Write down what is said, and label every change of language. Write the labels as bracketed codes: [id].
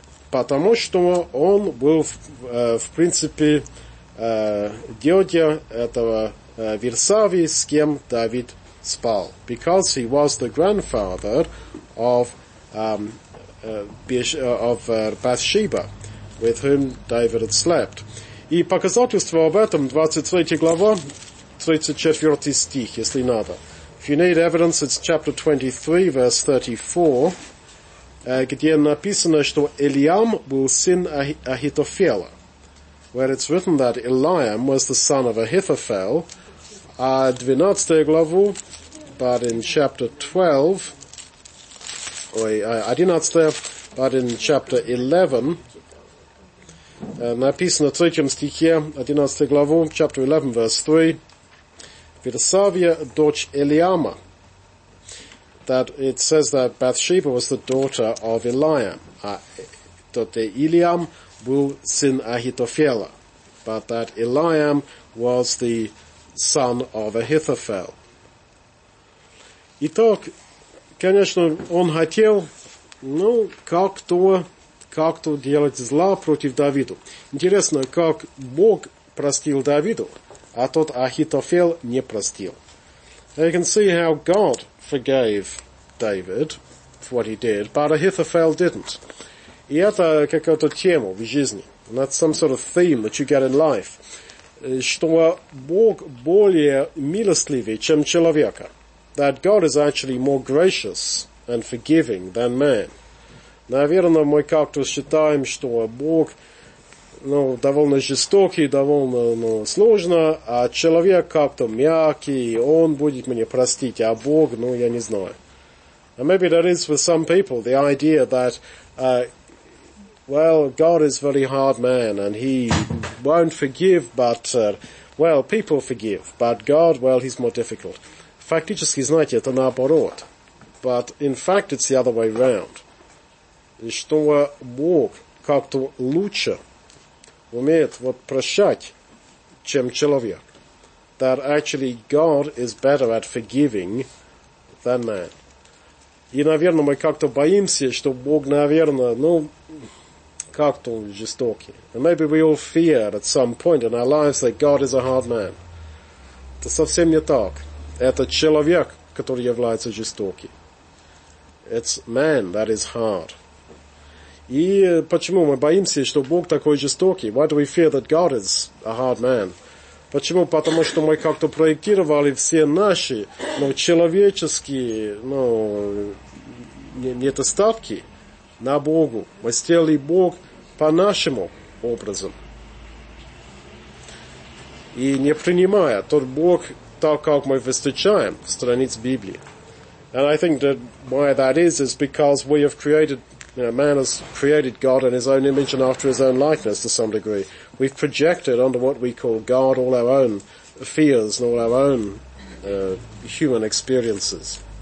[ru] Потому что он был, в принципе, дядя этого Версавии, с кем Давид спал. [en] Because he was the grandfather of Bathsheba, with whom David had slept. [ru] И показательство об этом, 23 глава, 34 стих, если надо. [en] If you need evidence, it's chapter 23, verse 34, [ru] где написано, что Элиам был сын Ахитофела. [en] Where it's written that Eliam was the son of Ahithophel, [ru] 12 главу, [en] but in chapter 12, but in chapter 11, [ru] написано в третьем стихе, 11 главу, [en] chapter 11, verse 3, [ru] Версавия, дочь Элиама, [en] that it says that Bathsheba was the daughter of Eliam, that Elyam [ru] был сын Ахитофела, [en] but that Eliam was the son of Ahithophel. [ru] Итак, конечно, он хотел, ну, как-то делать зла против Давиду. Интересно, как Бог простил Давиду, а тот Ахитофел не простил. [en] Now you can see how God forgave David for what he did, but Ahithophel didn't. [ru] И это какая-то тема в жизни. [en] That's some sort of theme that you get in life. [ru] Что Бог более милостливый, чем человека. [en] That God is actually more gracious and forgiving than man. [ru] Наверное, мы как-то считаем, что Бог ну, довольно жестокий, довольно ну, сложно, а человек как-то мягкий, он будет мне простить, а Бог, ну, я не знаю. [en] And maybe that is for some people, the idea that, well, God is a very hard man, and he won't forgive, but, well, people forgive, but God, well, he's more difficult. [ru] Фактически, знаете, это наоборот. [en] But in fact, it's the other way around. [ru] И что Бог как-то лучше умеет вот прощать, чем человек. [en] That actually God is better at forgiving than man. [ru] И, наверное, мы как-то боимся, что Бог, наверное, ну, как-то жестокий. [en] And maybe we all fear at some point in our lives that God is a hard man. [ru] Это совсем не так. Это человек, который является жестоким. [en] It's man that is hard. [ru] И почему мы боимся, что Бог такой жестокий? [en] Why do we fear that God is a hard man? [ru] Почему? Потому что мы как-то проектировали все наши, ну, человеческие, ну, недостатки на Богу. Мы сделали Бог по нашему образу. И не принимая тот Бог, так как мы встречаем в страниц Библии. [en] And I think that why that is because we have created, you know, man has created God in his own image and after his own likeness to some degree. We've projected onto what we call God all our own fears and all our own human experiences.